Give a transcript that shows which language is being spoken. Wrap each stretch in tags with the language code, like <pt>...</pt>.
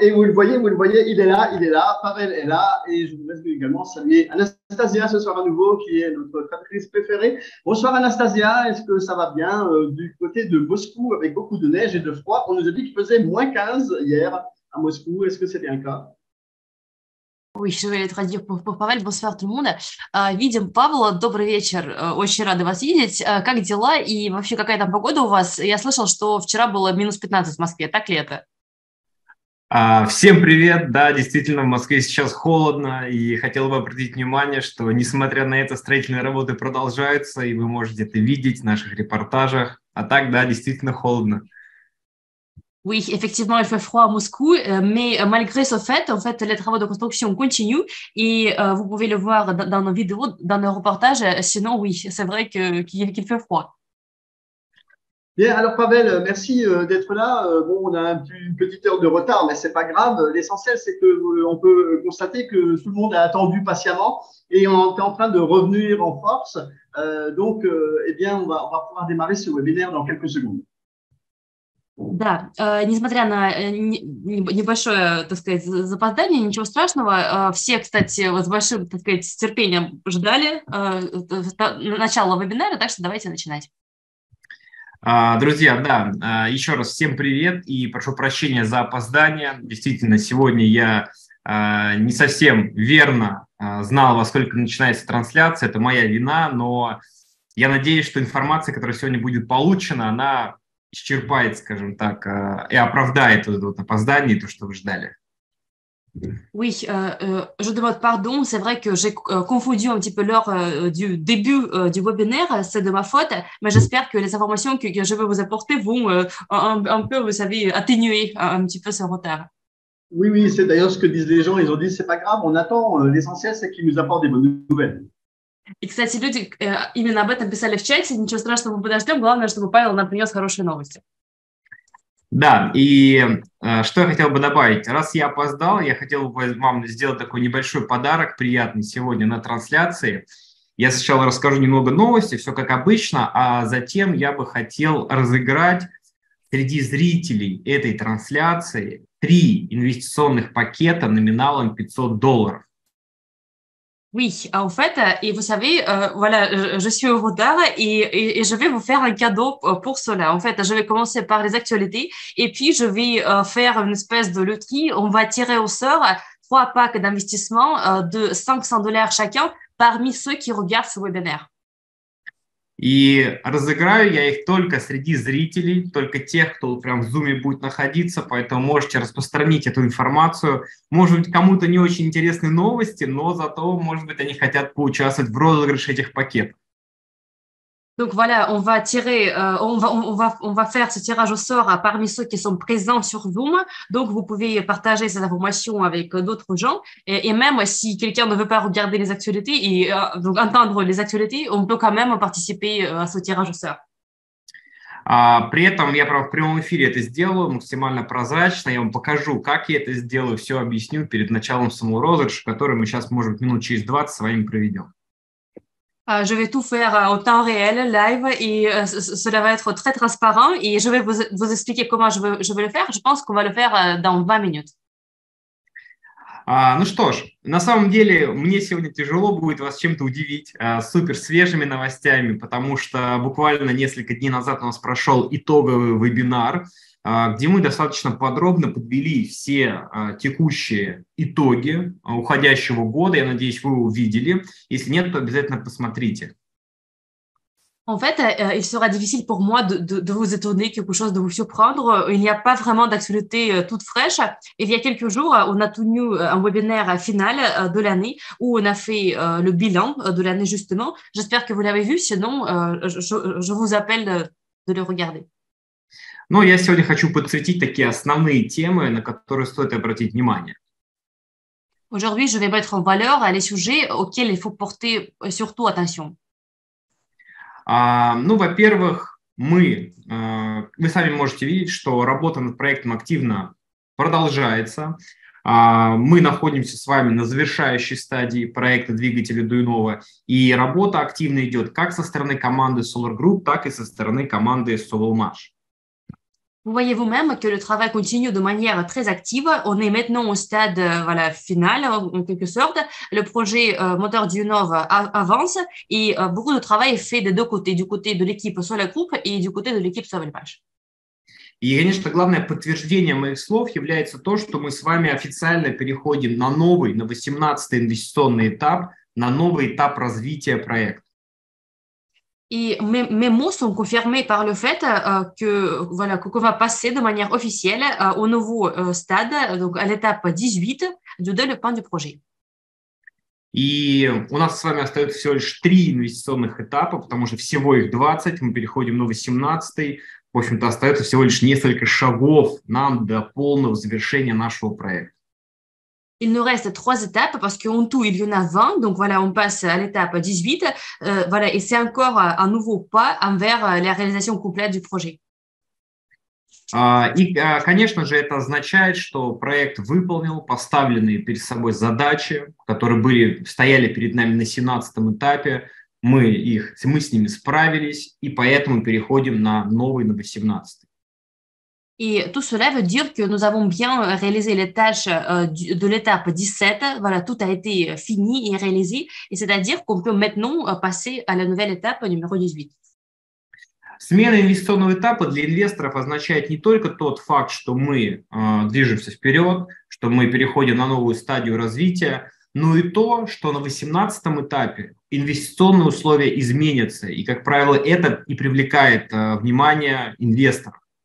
<fr>Et vous le voyez, il est là, Pavel est là. Et je voudrais également saluer Anastasia ce soir à nouveau, qui est notre traductrice préférée. Bonsoir Anastasia, est-ce que ça va bien du côté de Moscou avec beaucoup de neige et de froid? On nous a dit qu'il faisait moins 15 hier à Moscou. Est-ce que c'est bien le cas? Oui, je vais le traduire pour Павел. Bonsoir tout le monde.</fr> <ru>Видим Павла. Добрый вечер. Очень рада вас видеть. Как дела? И вообще, какая там погода у вас? Я слышал, что вчера было минус 15 в Москве. Так ли это? Всем привет! Да, действительно, в Москве сейчас холодно, и хотел бы обратить внимание, что, несмотря на это, строительные работы продолжаются, и вы можете это видеть в наших репортажах. А так, да, действительно холодно.</ru> <fr>Oui, effectivement, il fait froid à Moscou, mais malgré ce fait, en fait, les travaux de construction continuent et vous pouvez le voir dans nos vidéos, dans nos reportages. Sinon, oui, c'est vrai qu'il fait froid. Bien, alors Pavel, merci d'être là. Bon, on a une petite heure de retard, mais c'est pas grave. L'essentiel, c'est que on peut constater que tout le monde a attendu patiemment et on est en train de revenir en force. Eh bien, on va pouvoir démarrer ce webinaire dans quelques secondes.</fr> <ru>Да, несмотря на небольшое, так сказать, запоздание, ничего страшного. Все, кстати, вот с большим, так сказать, терпением ждали начала вебинара, так что давайте начинать. Друзья, да, еще раз всем привет и прошу прощения за опоздание. Действительно, сегодня я не совсем верно знал, во сколько начинается трансляция. Это моя вина, но я надеюсь, что информация, которая сегодня будет получена, она исчерпает, скажем так, и оправдает вот это вот опоздание и то, что вы ждали.</ru> <fr>Oui, je demande pardon. C'est vrai que j'ai confondu un petit peu l'heure du début du webinaire. C'est de ma faute, mais j'espère que les informations que je vais vous apporter vont un peu, vous savez, atténuer un petit peu ce retard. Oui, c'est d'ailleurs ce que disent les gens. Ils ont dit, c'est pas grave, on attend. L'essentiel, c'est qu'ils nous apportent des bonnes nouvelles.</fr> <ru>Et, кстати, люди именно об этом писали в чате. Ничего страшного, мы подождем. Главное, чтобы Павел нам принес хорошие новости. Да, и что я хотел бы добавить? Раз я опоздал, я хотел бы вам сделать такой небольшой подарок, приятный сегодня на трансляции. Я сначала расскажу немного новостей, все как обычно, а затем я бы хотел разыграть среди зрителей этой трансляции три инвестиционных пакета номиналом $500.</ru> <fr>Oui, en fait, et vous savez, voilà, je suis au retard et je vais vous faire un cadeau pour cela. En fait, je vais commencer par les actualités et puis je vais faire une espèce de loterie. On va tirer au sort trois packs d'investissement de 500 dollars chacun parmi ceux qui regardent ce webinaire.</fr> <ru>И разыграю я их только среди зрителей, только тех, кто прям в зуме будет находиться, поэтому можете распространить эту информацию. Может быть, кому-то не очень интересны новости, но зато, может быть, они хотят поучаствовать в розыгрыше этих пакетов.</ru> <fr>Donc voilà, on va tirer, on va faire ce tirage au sort parmi ceux qui sont présents sur Zoom. Donc vous pouvez partager ces informations avec d'autres gens. Et même si quelqu'un ne veut pas regarder les actualités et donc entendre les actualités, on peut quand même participer à ce tirage au sort.</fr> <ru>При этом я прямо в прямом эфире это сделаю максимально прозрачно. Я вам покажу, как я это сделаю, все объясню перед началом самого розыгрыша, который мы сейчас, может быть, минут через 20 с вами проведем.</ru> <fr>Je vais tout faire en temps réel, live, и cela va être très transparent, и je vais vous expliquer comment je vais le faire. Je pense qu'on va le faire dans 20 minutes.</fr> <ru>Ну что ж, на самом деле мне сегодня тяжело будет вас чем-то удивить, супер свежими новостями, потому что буквально несколько дней назад у нас прошел итоговый вебинар, где мы достаточно подробно подвели все текущие итоги уходящего года. Я надеюсь, вы увидели. Если нет, то обязательно посмотрите.</ru> <fr>En fait, il sera difficile pour moi de vous étonner, quelque chose de vous surprendre. Il n'y a pas vraiment d'actualité toute fraîche. Il y a quelques jours, on a tenu un webinaire final de l'année où on a fait le bilan de l'année, justement. J'espère que vous l'avez vu, sinon, je vous appelle de le regarder.</fr> <ru>Но я сегодня хочу подсветить такие основные темы, на которые стоит обратить внимание.</ru> <fr>Aujourd'hui, je vais mettre en valeur les sujets auxquels il faut porter surtout attention.</fr> <ru>Ну, во-первых, вы сами можете видеть, что работа над проектом активно продолжается. Мы находимся с вами на завершающей стадии проекта двигателя Дуйнова, и работа активно идет как со стороны команды Solar Group, так и со стороны команды Solmash.</ru> <fr>Vous voyez vous-même que le travail continue de manière très active. On est maintenant au stade voilà, final, en quelque sorte. Le projet moteur Dunov avance et beaucoup de travail est fait des deux côtés, du côté de l'équipe Solar Group et du côté de l'équipe Solmash.</fr> <ru>И, конечно, главное подтверждение моих слов является то, что мы с вами официально переходим на новый, на 18-й инвестиционный этап, на новый этап развития проекта. И мои слова</ru> <fr>sont confirmés par le fait que voilà, qu'on va passer de manière officielle au nouveau stade, donc à l'étape 18 du développement du projet.</fr> <ru>И у нас с вами остается всего лишь три инвестиционных этапа, потому что всего их 20, мы переходим на 18-й. В общем-то, остается всего лишь несколько шагов нам до полного завершения нашего проекта.</ru> <fr>Il nous reste trois étapes, parce qu'en tout, il y en a 20, donc voilà, on passe à l'étape 18, voilà, et c'est encore un nouveau pas envers la réalisation complète du projet.</fr> <ru>И, конечно же, это означает, что проект выполнил поставленные перед собой задачи, которые были, стояли перед нами на 17-м этапе, мы с ними справились, и поэтому переходим на новый, на 18-й.</ru> <fr>И tout cela veut dire que nous avons bien réalisé les tâches de l'étape 17. Voilà, tout a été fini et réalisé. Et c'est-à-dire qu'on peut maintenant passer à la nouvelle étape numéro 18.</fr> <ru>Смена инвестиционного этапа для инвесторов означает не только тот факт, что мы движемся вперед, что мы переходим на новую стадию развития, но и то, что на 18-м этапе инвестиционные условия изменятся. И, как правило, это и привлекает внимание инвесторов.</ru>